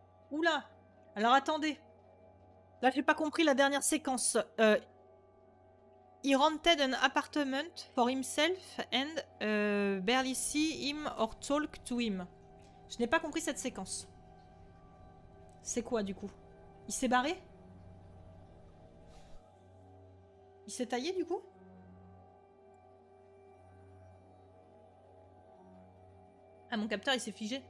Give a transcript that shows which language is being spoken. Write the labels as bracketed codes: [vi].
[fr] Oula, alors attendez. Là, j'ai pas compris la dernière séquence. [en] He rented an apartment for himself and barely see him or talk to him. [fr] Je n'ai pas compris cette séquence. C'est quoi, du coup? Il s'est barré? Il s'est taillé, du coup? Ah, mon capteur, il s'est figé.